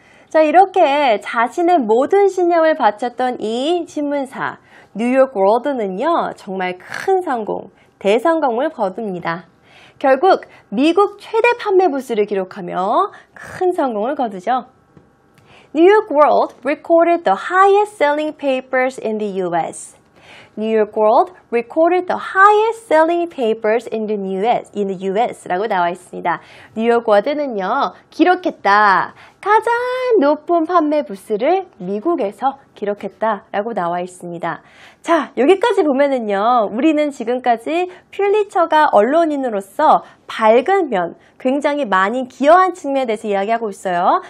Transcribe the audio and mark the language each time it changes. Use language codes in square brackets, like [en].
[ko] 자, 이렇게 자신의 모든 신념을 바쳤던 이 신문사, 뉴욕 월드는요, 정말 큰 성공, 대성공을 거둡니다. 결국 미국 최대 판매 부수를 기록하며 큰 성공을 거두죠. [en] New York World recorded the highest selling papers in the US. New York World recorded the highest selling papers in the US. In the US [ko] 라고 나와 있습니다. 뉴욕 월드는요, 기록했다. 가장 높은 판매 부수를 미국에서 기록했다라고 나와 있습니다. 자, 여기까지 보면은요, 우리는 지금까지 퓰리처가 언론인으로서 밝은 면, 굉장히 많이 기여한 측면에 대해서 이야기하고 있어요.